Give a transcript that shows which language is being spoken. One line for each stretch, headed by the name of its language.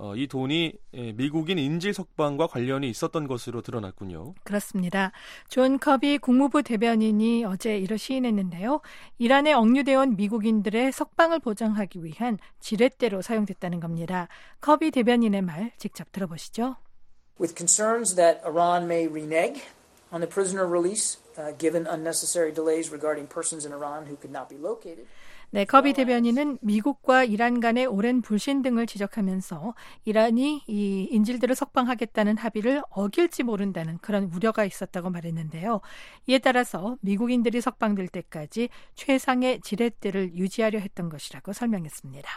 Korean: 이 돈이 미국인 인질 석방과 관련이 있었던 것으로 드러났군요. 그렇습니다. 존 커비 국무부 대변인이 어제 이를 시인했는데요. 이란에 억류되어 온 미국인들의 석방을 보장하기 위한 지렛대로 사용됐다는 겁니다. 커비 대변인의 말 직접 들어보시죠.
English: With concerns that Iran may renege on the prisoner release, given unnecessary delays regarding persons in Iran who could not be located.
Korean: 네, 커비 대변인은 미국과 이란 간의 오랜 불신 등을 지적하면서 이란이 이 인질들을 석방하겠다는 합의를 어길지 모른다는 그런 우려가 있었다고 말했는데요. 이에 따라서 미국인들이 석방될 때까지 최상의 지렛대를 유지하려 했던 것이라고 설명했습니다.